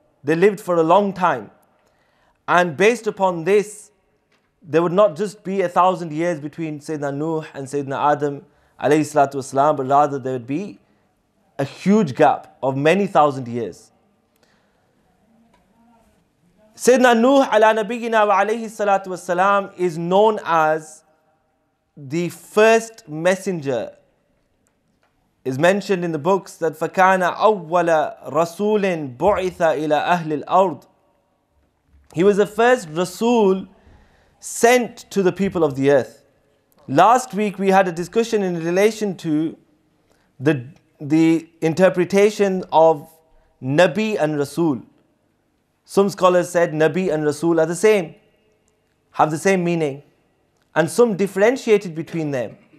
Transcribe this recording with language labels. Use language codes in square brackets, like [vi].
[en] They lived for a long time. And based upon this, there would not just be 1,000 years between Sayyidina Nuh and Sayyidina Adam alayhi salatu wasalam, but rather there would be a huge gap of many thousand years. Sayyidina Nuh ala nabiyyina wa alayhi salatu wasalam is known as the first messenger. Is mentioned in the books that [ar] فَكَانَ أَوَّلَ رَسُولٍ بُعِثَ إِلَىٰ أَهْلِ الْأَرْضِ. [en] He was the first Rasul sent to the people of the earth. Last week we had a discussion in relation to the the interpretation of Nabi and Rasul. Some scholars said Nabi and Rasul are the same, have the same meaning, and some differentiated between them.